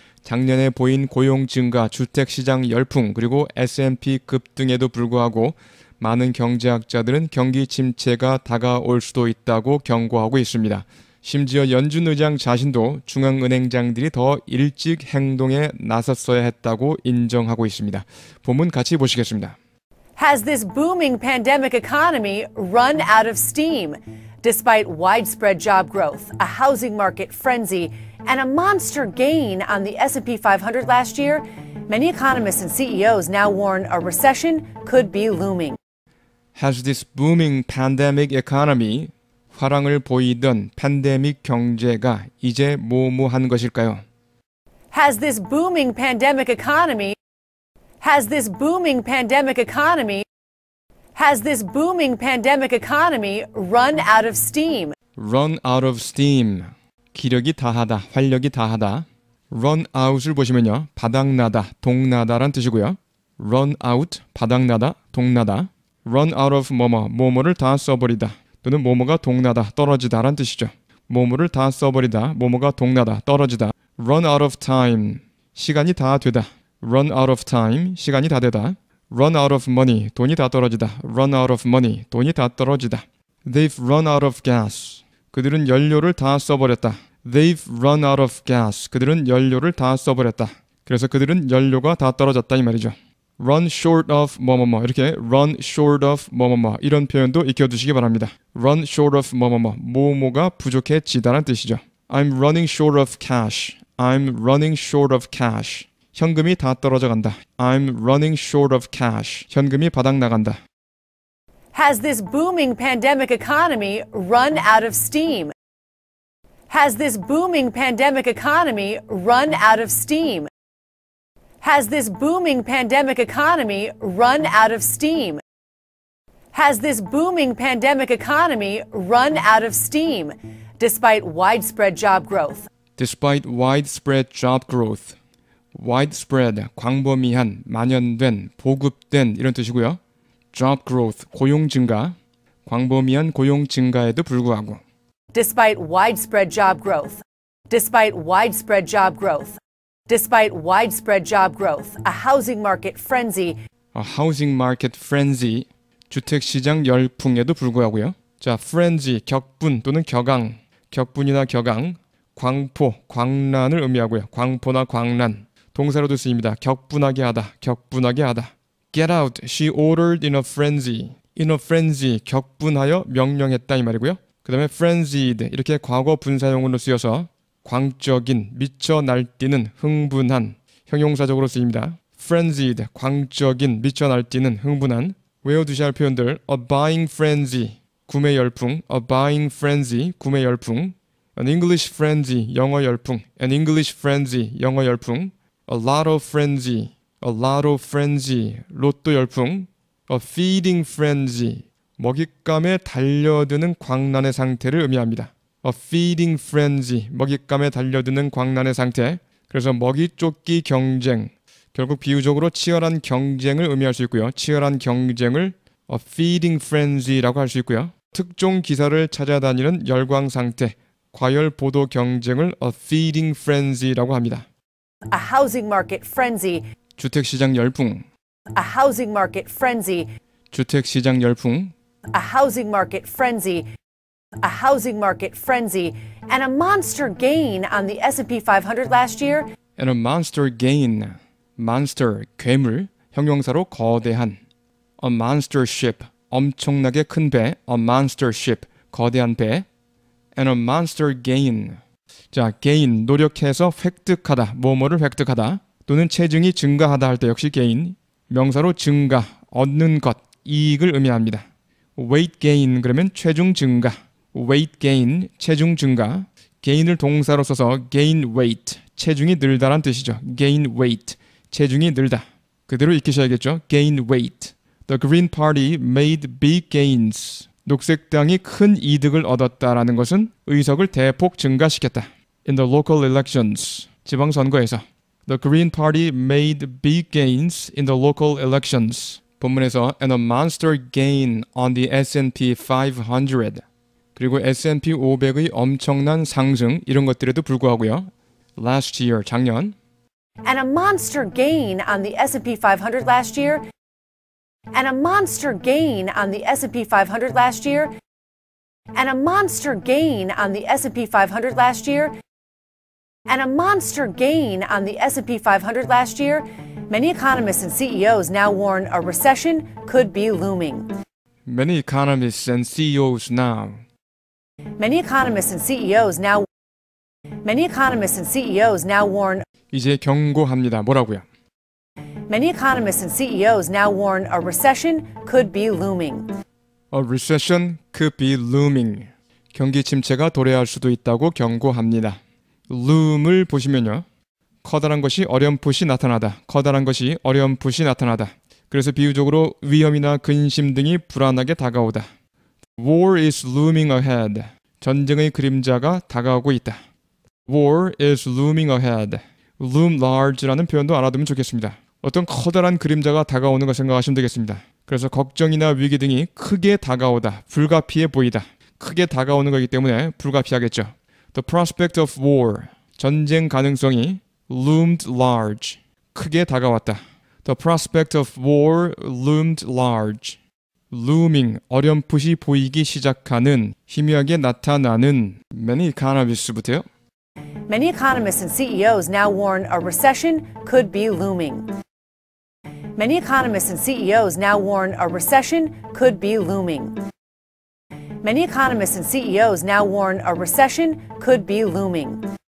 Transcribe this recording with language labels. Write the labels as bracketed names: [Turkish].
[Korean] 작년에 보인 고용 증가, 주택시장 열풍, 그리고 S&P 급등에도 불구하고 많은 경제학자들은 경기 침체가 다가올 수도 있다고 경고하고 있습니다. 심지어 연준 의장 자신도 중앙은행장들이 더 일찍 행동에 나섰어야 했다고 인정하고 있습니다. 본문 같이 보시겠습니다. [English] Has this booming pandemic economy run out of steam? Despite widespread job growth, a housing market frenzy, and a monster gain on the S&P 500 last year, many economists and CEOs now warn a recession could be looming. Has this booming pandemic economy [Korean] 화랑을 보이던 팬데믹 경제가 이제 뭐뭐한 것일까요? [English] Has this booming pandemic economy Has this booming pandemic economy Has this booming pandemic economy run out of steam? Run out of steam. [Korean] 기력이 다하다, 활력이 다하다. Run out을 보시면요. 바닥나다, 동나다란 뜻이고요. Run out, 바닥나다, 동나다. Run out of 뭐뭐, 뭐뭐를 다 써버리다. 또는 뭐뭐가 동나다, 떨어지다란 뜻이죠. 뭐뭐를 다 써버리다, 뭐뭐가 동나다, 떨어지다. [English] Run out of time. [Korean] 시간이 다 되다. [English] Run out of time. [Korean] 시간이 다 되다. [English] Run out of money. [Korean] 돈이 다 떨어지다. [English] Run out of money. [Korean] 돈이 다 떨어지다. [English] They've run out of gas. [Korean] 그들은 연료를 다 써버렸다. [English] They've run out of gas. [Korean] 그들은 연료를 다 써버렸다. 그래서 그들은 연료가 다 떨어졌다 이 말이죠. [English] Run short of 뭐뭐뭐. 이렇게 run short of 뭐뭐뭐. [Korean] 이런 표현도 익혀두시기 바랍니다. [English] Run short of 뭐뭐뭐. [Korean] 뭐뭐가 부족해지다라는 뜻이죠. [English] I'm running short of cash. I'm running short of cash. [Korean] 현금이 다 떨어져 간다. [English] I'm running short of cash. [Korean] 현금이 바닥 나간다. [English] Has this booming pandemic economy run out of steam? Has this booming pandemic economy run out of steam? Has this booming pandemic economy run out of steam? Has this booming pandemic economy run out of steam? Despite widespread job growth. Despite widespread job growth. [Korean] Widespread, 광범위한, 만연된, 보급된 이런 뜻이고요. Job growth, 고용 증가, 광범위한 고용 증가에도 불구하고. [English] Despite widespread job growth, despite widespread job growth, despite widespread job growth, a housing market frenzy. A housing market frenzy, [Korean] 주택 시장 열풍에도 불구하고요. 자, frenzy, 격분 또는 격앙, 격분이나 격앙, 광포, 광란을 의미하고요. 광포나 광란. 동사로도 쓰입니다. 격분하게 하다. 격분하게 하다. [English] Get out. She ordered in a frenzy. In a frenzy. [Korean] 격분하여 명령했다 이 말이고요. 그 다음에 frenzied. 이렇게 과거 분사형으로 쓰여서 광적인, 미쳐 날뛰는, 흥분한 형용사적으로 쓰입니다. [English] frenzied. [Korean] 광적인, 미쳐 날뛰는, 흥분한. 외워두셔야 할 표현들. [English] A buying frenzy. [Korean] 구매 열풍. [English] A buying frenzy. [Korean] 구매 열풍. [English] An English frenzy. [Korean] 영어 열풍. [English] An English frenzy. [Korean] 영어 열풍. [English] A lot of frenzy, a lot of frenzy, [Korean] 로또 열풍, [English] a feeding frenzy, [Korean] 먹잇감에 달려드는 광란의 상태를 의미합니다. [English] A feeding frenzy, [Korean] 먹잇감에 달려드는 광란의 상태, 그래서 먹이쫓기 경쟁, 결국 비유적으로 치열한 경쟁을 의미할 수 있고요. 치열한 경쟁을 a feeding frenzy라고 할 수 있고요. 특종 기사를 찾아다니는 열광 상태, 과열 보도 경쟁을 a feeding frenzy라고 합니다. [English] A housing market frenzy. [Korean] 주택 시장 열풍. [English] A housing market frenzy. [Korean] 주택 시장 열풍. [English] A housing market frenzy. A housing market frenzy and a monster gain on the S&P 500 last year. And a monster gain. [Korean] Monster 괴물 형용사로 거대한. [English] A monster ship [Korean] 엄청나게 큰 배. [English] A monster ship [Korean] 거대한 배. [English] And a monster gain. [Korean] 자, gain, 노력해서 획득하다, 뭐뭐를 획득하다, 또는 체증이 증가하다 할 때 역시 gain, 명사로 증가, 얻는 것, 이익을 의미합니다. weight gain, 그러면 체중 증가, weight gain, 체중 증가, gain을 동사로 써서 gain weight, 체중이 늘다란 뜻이죠. gain weight, 체중이 늘다. 그대로 익히셔야겠죠. gain weight. [English] The Green Party made big gains. [Korean] 녹색당이 큰 이득을 얻었다라는 것은 의석을 대폭 증가시켰다. [English] In the local elections, [Korean] 지방선거에서. [English] The Green Party made big gains in the local elections. 본문에서 and a monster gain on the S&P 500. [Korean] 그리고 S&P 500의 엄청난 상승 이런 것들에도 불구하고요. [English] Last year, [Korean] 작년. [English] And a monster gain on the S&P 500 last year. And a monster gain on the S&P 500 last year. And a monster gain on the S&P 500 last year. And a monster gain on the S&P 500 last year. Many economists and CEOs now warn a recession could be looming. Many economists and CEOs now. Many economists and CEOs now. Many economists and CEOs now warn. [Korean] 이제 경고합니다. 뭐라고요? [English] Many economists and CEOs now warn a recession could be looming. A recession could be looming. [Korean] 경기 침체가 도래할 수도 있다고 경고합니다. Loom을 보시면요. 커다란 것이 어렴풋이 나타나다. 커다란 것이 어렴풋이 나타나다. 그래서 비유적으로 위험이나 근심 등이 불안하게 다가오다. [English] War is looming ahead. [Korean] 전쟁의 그림자가 다가오고 있다. [English] War is looming ahead. [Korean] Loom large라는 표현도 알아두면 좋겠습니다. 어떤 커다란 그림자가 다가오는 걸 생각하시면 되겠습니다. 그래서 걱정이나 위기 등이 크게 다가오다. 불가피해 보이다. 크게 다가오는 거기 때문에 불가피하겠죠. [English] The prospect of war. [Korean] 전쟁 가능성이 [English] loomed large. [Korean] 크게 다가왔다. [English] The prospect of war loomed large. Looming. [Korean] 어렴풋이 보이기 시작하는. 희미하게 나타나는. [English] Many economists부터요. Many economists and CEOs now warn a recession could be looming. Many economists and CEOs now warn a recession could be looming. Many economists and CEOs now warn a recession could be looming.